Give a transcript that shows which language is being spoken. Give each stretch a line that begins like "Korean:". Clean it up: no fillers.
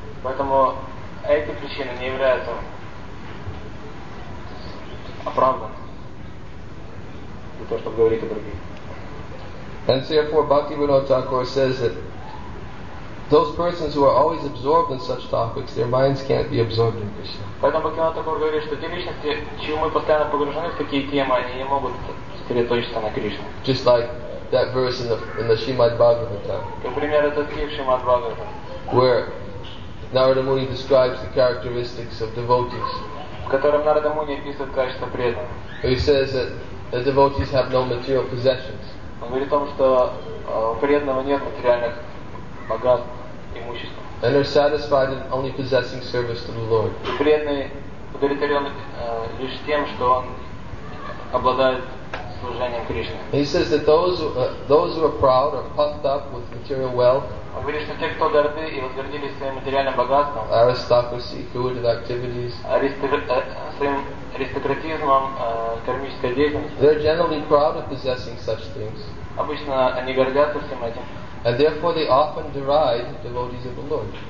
Russian: Поэтому эти причины не являются
English: And therefore, Bhaktivinoda Thakur says that those persons who are always absorbed in such topics, their minds can't be absorbed in Krishna.
Russian: Поэтому Бхактивинода Такур говорит, что те личности, чьи умы постоянно погружены в такие темы, они не могут сосредоточиться на Кришне.
English: Just like that verse in the Shrimad Bhagavatam.
Russian: Например, этот стих Shrimad Bhagavatam.
English: Where Narada Muni describes the characteristics of devotees.
Russian: В котором Нарада Муни описывает качество преданных.
English: He says that the devotees have no material possessions.
Russian: Он говорит о том, что у преданного нет материальных богатств, имуществ.
English: And are satisfied in only possessing service to the Lord.
Russian: И преданный удовлетворен лишь тем, что он обладает служением Кришне.
English: He says that those who are proud or puffed up with material wealth.
Russian: Он говорит, что те, кто горды и возгордились своим материальным богатством,
English: aristocracy, food and activities,
Russian: своим аристократизмом, кармической деятельностью,
English: they're generally proud of possessing such things.
Russian: Обычно они гордятся всем этим.
English: And therefore they often deride devotees of the Lord.